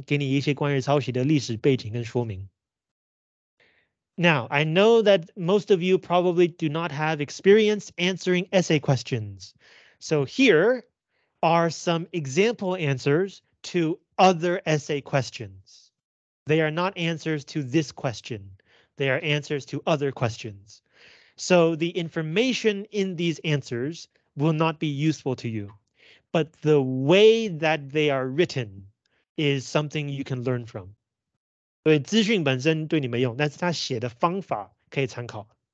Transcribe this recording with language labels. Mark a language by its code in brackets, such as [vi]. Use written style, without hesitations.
[zh] 它是中文文章，我用中文再讲一遍。如果你对抄袭这概念好奇，或是想了解为什么抄袭这么严重，这边有一篇中文的文章给你一些关于抄袭的历史背景跟说明。 [en] Now, I know that most of you probably do not have experience answering essay questions. So here are some example answers to other essay questions. They are not answers to this question. They are answers to other questions. So the information in these answers will not be useful to you, but the way that they are written is something you can learn from. [zh] 对，资讯本身对你没用，但是他写的方法可以参考。